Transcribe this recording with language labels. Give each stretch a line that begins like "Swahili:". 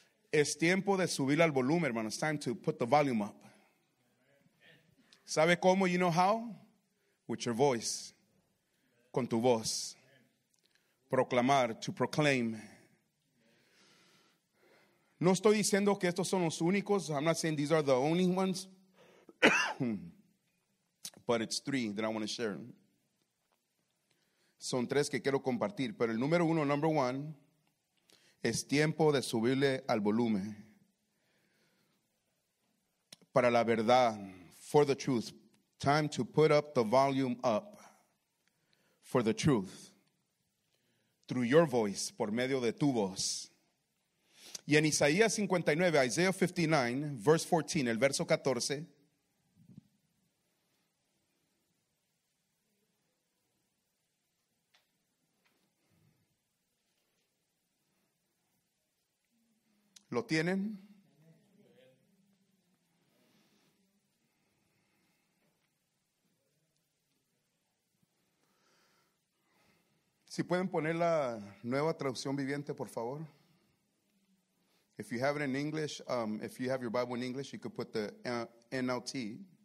Spanish: Es tiempo de subir al volumen, hermano.
English: It's time to put the volume up.
Spanish: ¿Sabe cómo?
English: You know how? With your voice.
Spanish: Con tu voz. Proclamar,
English: to proclaim.
Spanish: No estoy diciendo que estos son los únicos.
English: I'm not saying these are the only ones. But it's three that I want to share.
Spanish: Son tres que quiero compartir, pero el número uno,
English: number one,
Spanish: es tiempo de subirle al volumen para la verdad,
English: for the truth. Time to put up the volume up for the truth through your voice,
Spanish: por medio de tu voz. Y en Isaías 59,
English: Isaiah 59, verse 14,
Spanish: el verso 14, ¿lo tienen? Si pueden poner la nueva traducción viviente, por favor.
English: If you have it in English, if you have your Bible in English, you could put the NLT.